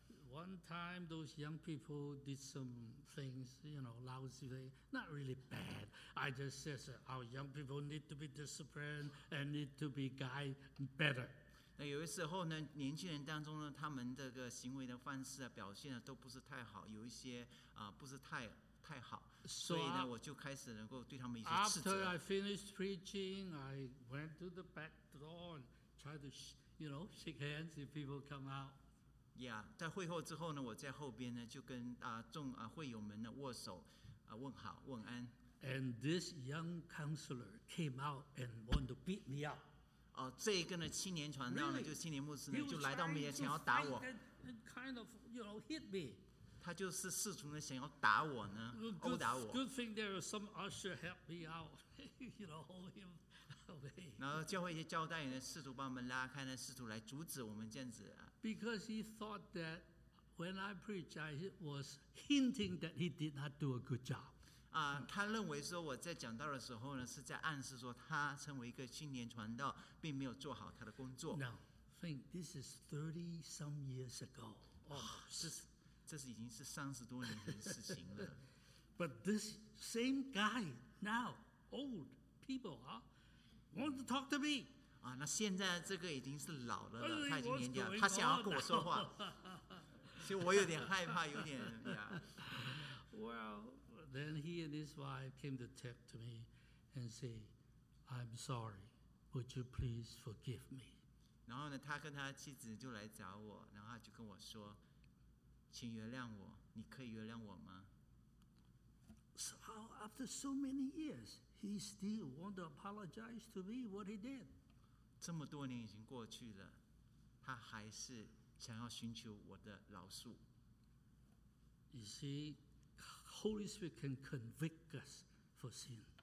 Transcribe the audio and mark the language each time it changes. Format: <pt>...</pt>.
<en>One time, those young people did some things, you know, lousy things. Not really bad. I just said, our young people need to be disciplined and need to be guided better.</en> <zh>那有些时候呢，年轻人当中呢，他们这个行为的方式啊，表现啊，都不是太好。有一些不是太好。所以呢，我就开始能够对他们一些斥责。</zh> <en>After I finished preaching, I went to the back door and tried to, you know, shake hands if people come out.</en> <zh>Yeah, 在会后之后呢，我在后边呢就跟众会友们呢握手，问好问安。</zh> <en>And this young counselor came out and wanted to beat me up.</en> <zh>这一个呢青年传道呢、</zh> <en>really?</en> <zh>就青年牧师呢就来到面前要打我。</zh> <en>And kind of, you know, hit me.</en> <zh>他就是试图的想要打我呢，殴打我。</zh> <en>Good thing there is some usher help me out, you know, hold him away.</en> <zh>然后教会一些教代呢，试图把我们拉开呢，试图来阻止我们这样子。</zh> <en>Because he thought that when I preach, I was hinting that he did not do a good job.</en> <zh>啊，他认为说我在讲道的时候呢，是在暗示说他成为一个青年传道，并没有做好他的工作。</zh> <en>Now, think this is 30 some years ago.</en> <zh>哇，这是已经是三十多年前的事情了。</zh> <en>But this same guy now, old people, want to talk to me.</en> <zh>啊，那现在这个已经是老了了，他已经年纪了，他想要跟我说话。所以我有点害怕，有点呀。</zh> <en>Well, then he and his wife came to talk to me and say, "I'm sorry. Would you please forgive me?"</en> <zh>然后呢，他跟他妻子就来找我，然后就跟我说。请原谅我，你可以原谅我吗？</zh> <en>So after so many years, he still want to apologize to me what he did.</en> <zh>这么多年已经过去了，他还是想要寻求我的饶恕。</zh> <en>You see, Holy Spirit can convict us for sin.</en>